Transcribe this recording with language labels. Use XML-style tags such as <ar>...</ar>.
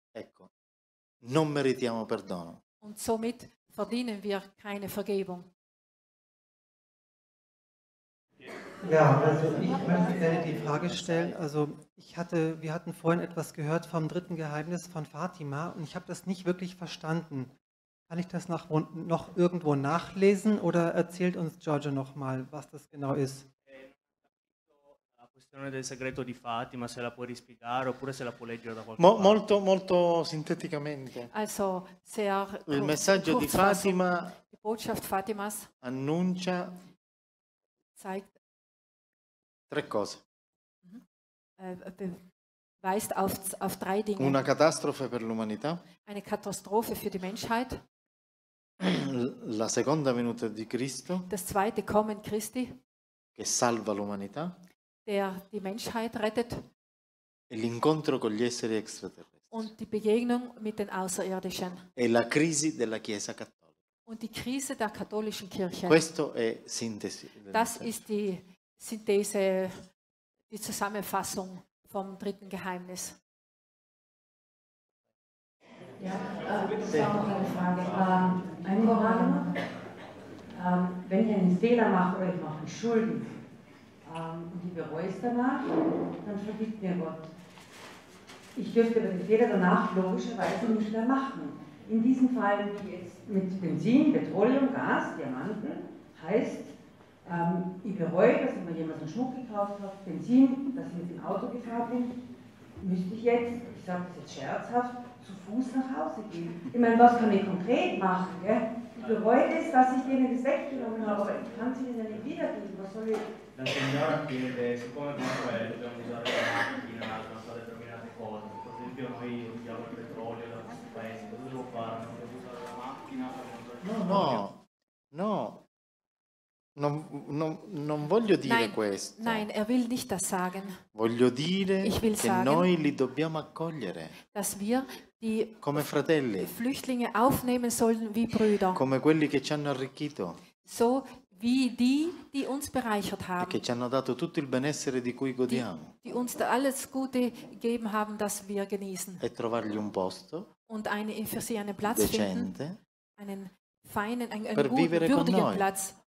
<it>ecco, non meritiamo perdono.</it> <de>Und somit verdienen wir keine Vergebung. Ja, also ich möchte gerne die Frage stellen. Also wir hatten vorhin etwas gehört vom dritten Geheimnis von Fatima und ich habe das nicht wirklich verstanden. Kann ich das noch irgendwo nachlesen oder erzählt uns Giorgio nochmal, was das genau ist?</de> <it>La questione del segreto di Fatima, se la puoi rispiegare oppure se la puoi leggere da qualche parte. Molto, molto sinteticamente.</it> <de>Also sehr</de> <it>il messaggio di Fatima</it> <de>die Botschaft Fatimas</de> <it>annuncia</it> <de>zeigt</de> <it>tre cose.</it> <de>Weist auf drei Dinge.</de> <it>Una catastrofe per l'umanità.</it> <de>Eine Katastrophe für die Menschheit.</de> <it>La seconda venuta di Cristo.</it> <de>Das zweite Kommen Christi.</de> <it>Che salva l'umanità.</it> <de>Der die Menschheit rettet.</de> <it>E l'incontro con gli esseri extraterrestri.</it> <de>Und die Begegnung mit den Außerirdischen.</de> <it>E la crisi della Chiesa cattolica.</it> <de>Und die Krise der katholischen Kirche.</de> <it>Questo è sintesi.</it> <de>Das ist die Synthese, die Zusammenfassung vom dritten Geheimnis. Ja, das ist auch eine Frage. Eine Moral immer. Wenn ich einen Fehler mache oder ich mache einen Schulden und ich bereue es danach, dann vergibt mir Gott. Ich dürfte den Fehler danach logischerweise nicht mehr machen. In diesem Fall, wie jetzt mit Benzin, Petroleum, Gas, Diamanten, heißt, ich bereue, dass ich mir jemals einen Schmuck gekauft habe, Benzin, dass ich mit dem Auto gefahren bin, müsste ich jetzt, ich sage das jetzt scherzhaft, zu Fuß nach Hause gehen. Ich meine, was kann ich konkret machen, gell? Ich bereue es, dass ich denen das weggenommen habe, aber ich kann es ihnen ja nicht wiedergeben, was soll ich...</de> <it>La signora chiede se siccome noi dobbiamo usare la macchina per fare determinate cose, per esempio noi usiamo il petrolio da questi paesi, cosa devo fare? Non devo usare la macchina per controllare? No, no, no. Non, non, non voglio dire</it> <de>nein,</de> <it>questo.</it> <de>Nein, er will nicht das sagen.</de> <it>Voglio dire che</it> <de>sagen,</de> <it>noi li dobbiamo accogliere.</it> <de>Dass wir die</de> <it>come fratelli.</it> <de>Flüchtlinge aufnehmen sollen wie Brüder.</de> <it>Come quelli che ci hanno arricchito.</it> <de>So wie die, die uns bereichert haben.</de> <it>E che ci hanno dato tutto il benessere di cui godiamo.</it> <de>Die uns da alles Gute gegeben haben, das wir genießen.</de> <it>E trovargli un posto.</it> <de>Und eine, für sie einen Platz</de> <it>decente,</it> <de>finden. Einen feinen, einen per guten, würdigen Platz.</de>